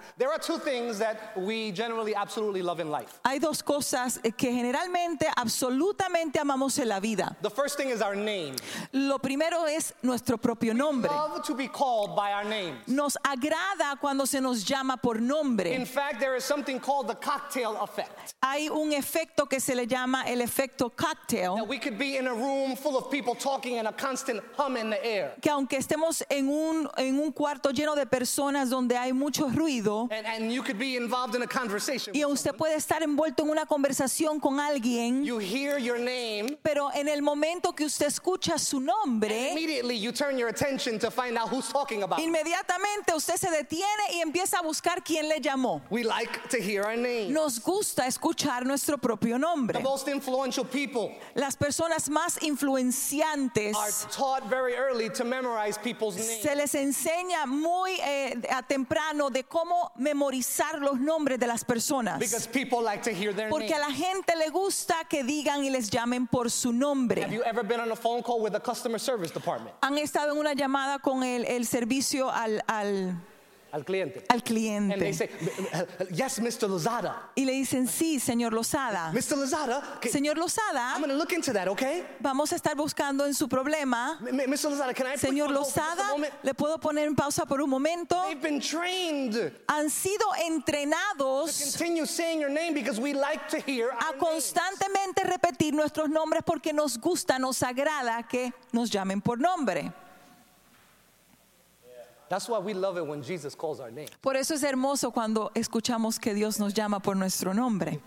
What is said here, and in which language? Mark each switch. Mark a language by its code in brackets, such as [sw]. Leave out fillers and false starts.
[en] There are two things that we generally absolutely love in life. [es] Hay dos cosas que generalmente absolutamente amamos en la vida. [en] The first thing is our name. [es] Lo primero es nuestro propio nombre. [en] We love to be called by our names. [es] Nos agrada cuando se nos llama por nombre. [en] In fact, there is something called the cocktail effect. [es] Hay un efecto que se le llama el efecto cocktail. [en] That we could be in a room full of people talking and a constant hum in the air. [es] Que aunque estemos en un cuarto lleno de personas donde hay mucho ruido. [en] And you could be involved in a conversation. [es] Y usted puede estar envuelto en una conversación con alguien. [en] You hear your name. [es] Pero en el momento que usted escucha su nombre. [en] And immediately you turn your attention to find out who's talking about. [es] Inmediatamente usted se detiene y empieza a buscar quién le llamó. [en] We like to hear our name. [es] Nos gusta escuchar nuestro propio nombre. [en] The most influential people. [es] Las personas más influenciantes. [en] Are taught very early to memorize people's names. [es] Se les enseña muy a temprano de cómo memorizar los nombres de las personas. [en] Because people like to hear their name. [es] Porque a la gente le gusta que digan y les llamen por su nombre. [en] Have you ever been on a phone call with a customer service department? [es] Han estado en una llamada con el servicio al cliente. [en] And they say, yes, Mr. Lozada. [es] Y le dicen, sí, señor Lozada. [en] Mr. Lozada. [es] Señor Lozada. [en] I'm going to look into that, okay? [es] Vamos a estar buscando en su problema. [en] Mr. Lozada, can I put [es] señor Lozada, le puedo poner en pausa por un momento. [en] They've been trained. [es] Han sido entrenados. [en] To continue saying your name because we like to hear our [es] a constantemente [en] names. [es] Repetir nuestros nombres porque nos gusta, nos agrada que nos llamen por nombre. [en] That's why we love it when Jesus calls our name. [es] Por eso es hermoso cuando escuchamos que Dios nos llama por nuestro nombre.